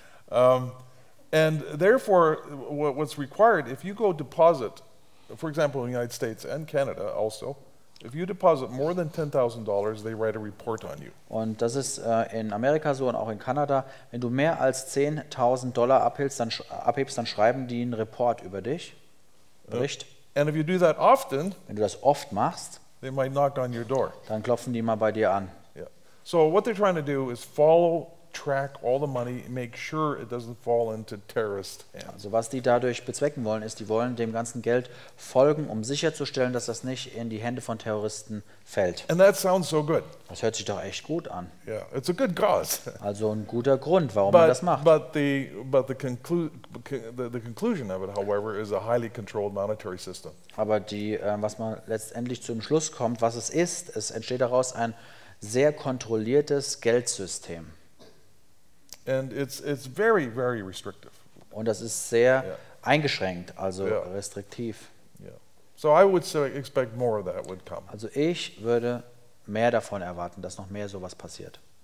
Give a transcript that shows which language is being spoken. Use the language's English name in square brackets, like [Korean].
[English] And therefore what's required if you go deposit, for example, in the United States and Canada also, if you deposit more than $10,000, they write a report on you. [German] Und das ist in Amerika so und auch in Kanada. Wenn du mehr als $10,000 abhebst, dann schreiben die einen Report über dich, Bericht. [English] And if you do that often, [German] wenn du das oft machst, [English] they might knock on your door. [German] Dann klopfen die mal bei dir an. [English] Yeah. So what they're trying to do is follow, track all the money, make sure it doesn't fall into terrorist hands. [German] Also was die dadurch bezwecken wollen, ist, die wollen dem ganzen Geld folgen, um sicherzustellen, dass das nicht in die Hände von Terroristen fällt. [English] And that sounds so good. [German] Das hört sich doch echt gut an. [English] Yeah, it's a good cause. [German] Also ein guter Grund, warum man das macht. [English] But the conclusion of it, however, is a highly controlled monetary system. [German] Aber die, was man letztendlich zum Schluss kommt, was es ist, es entsteht daraus ein sehr kontrolliertes Geldsystem. [English] And it's very, very restrictive. [German] Und das ist sehr eingeschränkt, also restriktiv. [English] Yeah. So I would expect more of that would come. [German] Also ich würde mehr davon erwarten, dass noch mehr sowas passiert.